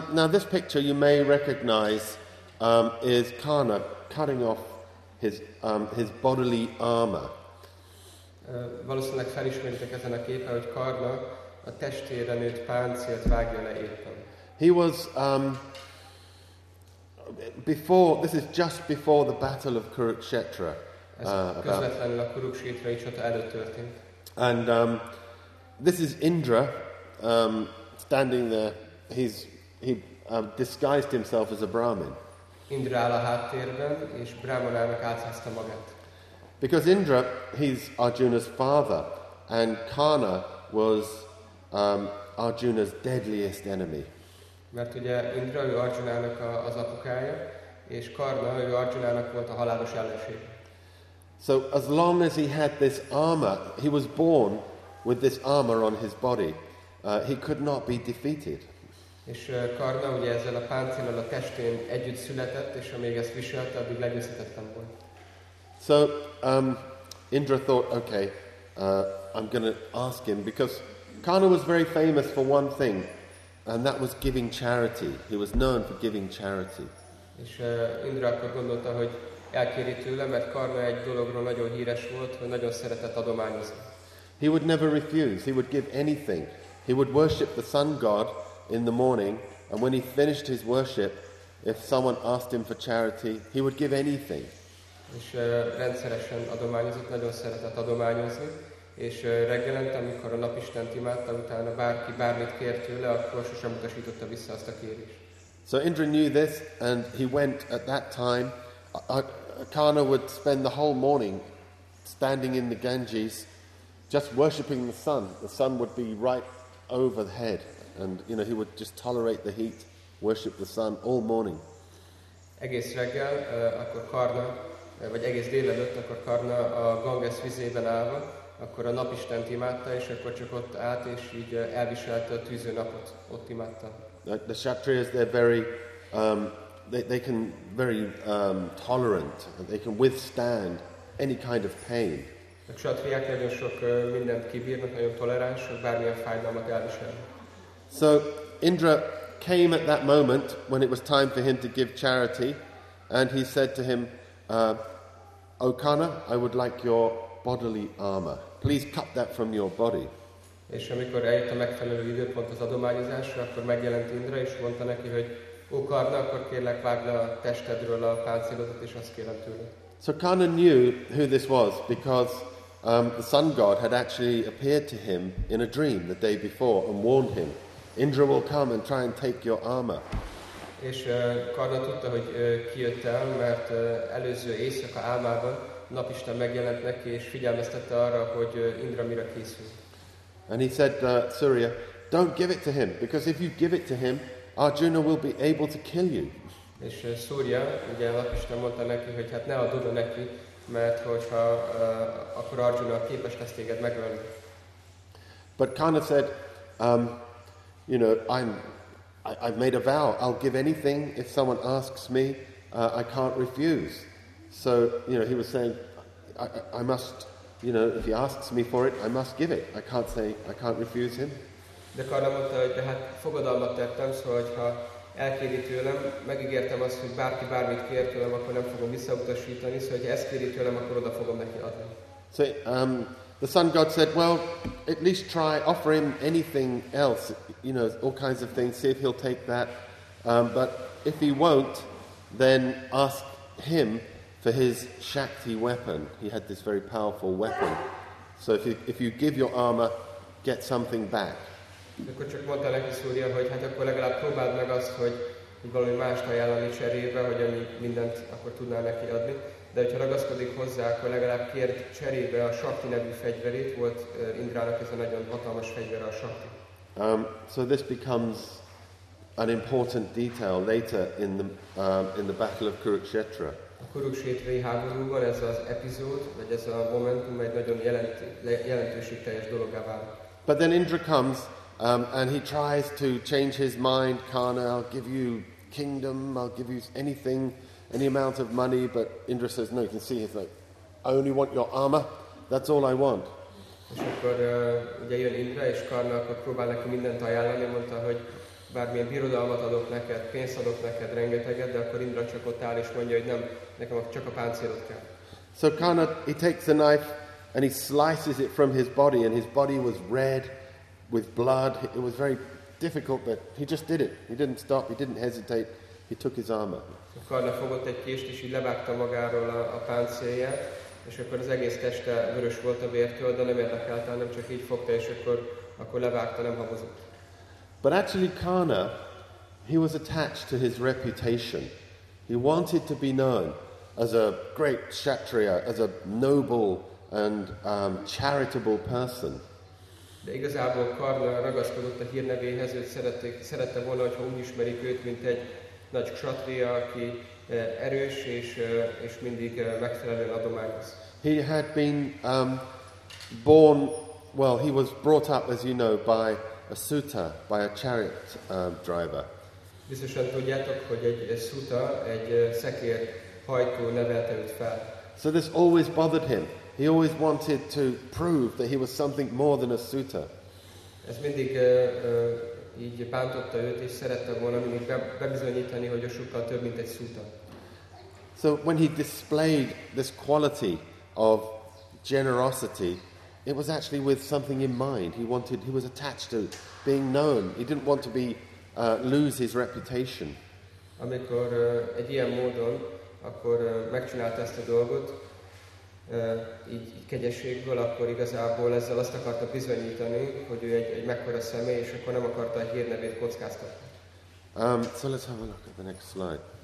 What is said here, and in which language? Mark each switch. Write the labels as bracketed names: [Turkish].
[English] This picture you may recognize is Karna cutting off his bodily armor. [Hungarian] Valószínűleg felismeritek ezen a képen, hogy Karna a testére nőtt páncélt vágja le éppen. [English] He was before. This is just before the battle of Kurukshetra. [Hungarian] Közvetlenül a Kurukshetrai csata előtt történt. [English] And this is Indra standing there. He disguised himself as a Brahmin. [Hungarian] Indra áll a háttérben, és Brahmanának átszázta magát. [English] Because Indra, he's Arjuna's father, and Karna was Arjuna's deadliest enemy. [Hungarian] Mert ugye Indra, ő Arjunának az apukája, és Karna, ő Arjunának volt a halálos ellenség. [English] So as long as he had this armor, he was born with this armor on his body, he could not be defeated. [Hungarian] És Karna ugye ezzel a páncéllal a testén együtt született, és amíg ezt viselte, addig legyőzhetetlen volt. [English] So Indra thought, okay, I'm going to ask him, because Karna was very famous for one thing, and that was giving charity. He was known for giving charity. [Hungarian] És Indra akkor gondolta, hogy elkéri tőle, mert Karna egy dologról nagyon híres volt, hogy nagyon szeretett adományozni. [English] He would never refuse. He would give anything. He would worship the sun god in the morning, and when he finished his worship, if someone asked him for charity, he would give anything. [Hungarian] És rendszeresen adományozott, nagyon szeretett adományozni, és reggelente, amikor a napistent imádta, utána bárki bármit kér tőle, akkor sosem utasította vissza azt a kérést. [English] So Indra knew this, and he went at that time. Karna would spend the whole morning standing in the Ganges, just worshipping the sun. The sun would be right over the head, and you know, he would just tolerate the heat, worship the sun all morning. [Hungarian] Egész reggel, akkor Karna, vagy egész délelőtt, akkor Karna a Ganges vizében állva, akkor a napistent imádta, és akkor csak ott állt, és így elviselte a tűző napot, ott imádta. [English] The Kshatriyas, they're very, they can very tolerant, they can withstand any kind of pain. [Hungarian] A Kshatriyák nagyon sok mindent kibírnak, nagyon toleráns, bármilyen fájdalmat elviselnek. [English] So Indra came at that moment, when it was time for him to give charity, and he said to him, O Karna, I would like your bodily armor. Please cut that from your body. [Hungarian] És amikor eljött a megfelelő időpont az adományozásra, akkor megjelent Indra, és mondta neki, hogy O Karna, akkor kérlek, vágd le a testedről a páncélodat, és azt kérem tőle. [English] So Karna knew who this was, because the sun god had actually appeared to him in a dream the day before and warned him, Indra will come and try and take your armor. [Hungarian] És Karna tudta, hogy kijött el, mert előző éjszaka álmában napisten megjelent neki, és figyelmeztette arra, hogy Indra mire készül. [English] And he said, Surya, don't give it to him, because if you give it to him, Arjuna will be able to kill you. [Hungarian] És Surya, ugye napisten mondta neki, hogy hát ne add oda neki, mert hogyha akkor Arjuna képes lesz téged megölni. [English] But Karna said, you know, I've made a vow. I'll give anything if someone asks me. I can't refuse. So, you know, he was saying, I must, you know, if he asks me for it, I must give it. I can't refuse him. [Hungarian] De Karna mondta, hogy de hát fogadalmat tettem, szóval, ha elkéri tőlem, megígértem azt, hogy bárki bármit kér tőlem, akkor nem fogom visszautasítani, szóval, ha ezt kéri tőlem, akkor oda fogom neki adni. [English] So, The sun god said, well, at least try, offer him anything else, you know, all kinds of things, see if he'll take that. But if he won't, then ask him for his Shakti weapon. He had this very powerful weapon. So if you give your armor, get something back. [Hungarian] Akkor csak mondta neki Szúria, hogy hát akkor legalább próbáld meg azt, hogy valami mást ajánlani cserébe, hogy ami mindent akkor tudnál neki adni. De hogyha ragaszkodik hozzá, akkor legalább kérd cserébe a Shakti nevű fegyverét. Volt Indrának ez a nagyon hatalmas fegyvere, a Shakti. [English] So this becomes an important detail later in the battle of Kurukshetra. [Hungarian] A Kurukshetrai háborúban ez az epizód, vagy ez a momentum egy nagyon jelentőségteljes dologgá válik. [English] But then Indra comes and he tries to change his mind. Karna, I'll give you kingdom, I'll give you anything, any amount of money. But Indra says, no, you can see, he's like, I only want your armor, that's all I want. [Hungarian] És akkor ugye jön Indra, és Karna akkor próbál neki mindent ajánlani, mondta, hogy bármilyen birodalmat adok neked, pénzt adok neked, rengeteget, de akkor Indra csak ott áll, és mondja, hogy nem, nekem csak a páncélot kell. [English] So Karna, he takes the knife, and he slices it from his body, and his body was red with blood. It was very difficult, but he just did it. He didn't stop, he didn't hesitate. He took his armor. [Hungarian] Karna fogott egy kést, és így levágta magáról a páncélját, és akkor az egész teste vörös volt a vértől, de nem érdekelt, hanem csak így fogta, és akkor levágta, nem habozott. [English] But actually Karna, he was attached to his reputation. He wanted to be known as a great Kshatriya, as a noble and charitable person. [Hungarian] De igazából Karna ragaszkodott a hírnevéhez, hogy szerette volna, hogyha úgy ismerik őt, mint egy nagy kshatriya, aki erős és mindig megfelelően adományoz. [English] He had been born, well, he was brought up, as you know, by a suta, by a chariot driver. [Hungarian] Biztosan tudjátok, hogy egy suta, egy szekér hajtó nevelte őt fel. [English] So this always bothered him. He always wanted to prove that he was something more than a suta. [Hungarian] Ez mindig így bántotta őt, és szerette volna mindig bebizonyítani, hogy ő sokkal több, mint egy suta. [English] So when he displayed this quality of generosity, it was actually with something in mind. He was attached to being known. He didn't want to lose his reputation. [Hungarian] Amikor egy ilyen módon, akkor megcsinálta ezt a dolgot, így kegyességből, akkor igazából ezzel azt akarta bizonyítani, hogy ő egy mekkora személy, és akkor nem akarta a hírnevét kockáztatni. [English] So let's have a look at the next slide.